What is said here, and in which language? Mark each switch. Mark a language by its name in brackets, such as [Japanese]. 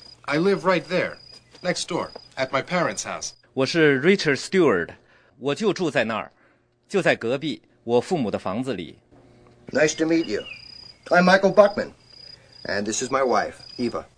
[English] I live right there, next door, at my parents' house. [Chinese] 我是 Richard Stewart. 我就住在那儿，就在隔壁，我父母的房子里。 [English] Nice to meet you. I'm Michael Buckman, and this is my wife, Eva.